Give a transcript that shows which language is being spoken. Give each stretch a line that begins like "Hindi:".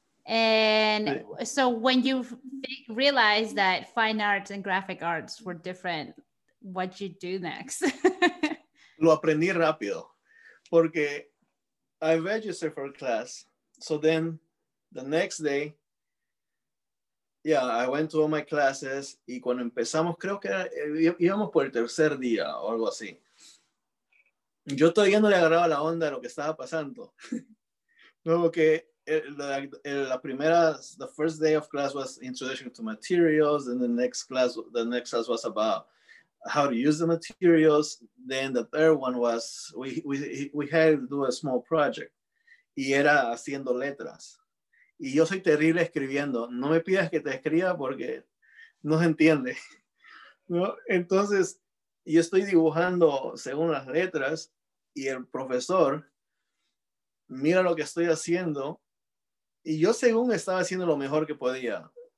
English: And so when you realized that fine arts and graphic arts were different, what'd you do next?
Spanish: Lo aprendí rápido, porque
English: I registered for a class. So then the next day, yeah, I went to all my classes.
Spanish: Y cuando empezamos, creo que íbamos por el tercer día o algo así. Yo todavía no le agarraba la onda de lo que estaba pasando. Luego que
English: the first day of class was introduction to materials. And the next class was about how to use the materials. Then the third one was, we had to do a small project.
Spanish: Y era haciendo letras. Y yo soy terrible escribiendo. No me pidas que te escriba porque no se entiende. ¿No? Entonces, yo estoy dibujando según las letras y el profesor mira lo que estoy haciendo y yo según estaba haciendo lo mejor que podía.